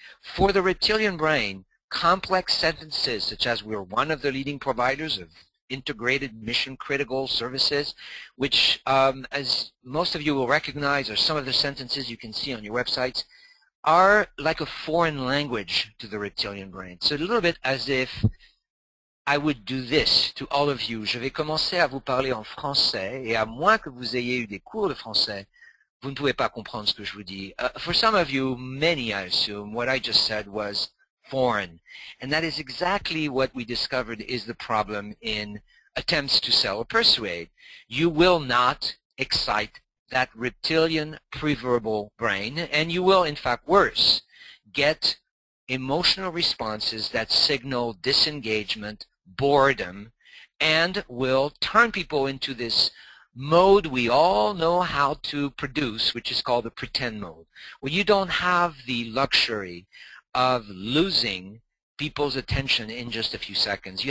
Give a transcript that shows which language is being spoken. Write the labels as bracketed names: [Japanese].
[English] For the reptilian brain, complex sentences such as "we're one of the leading providers of integrated mission critical services," which as most of you will recognize are some of the sentences you can see on your websites, are like a foreign language to the reptilian brain. So a little bit as if I would do this to all of you: [French] je vais commencer à vous parler en français, et à moins que vous ayez eu des cours de français, vous ne pouvez pas comprendre ce que je vous dis. [English] For some of you, many I assume, what I just said was foreign. And that is exactly what we discovered is the problem in attempts to sell or persuade. You will not excite that reptilian preverbal brain, and you will, in fact, worse, get emotional responses that signal disengagement, boredom, and will turn people into this mode we all know how to produce, which is called the pretend mode, where you don't have the luxury of losing people's attention in just a few seconds.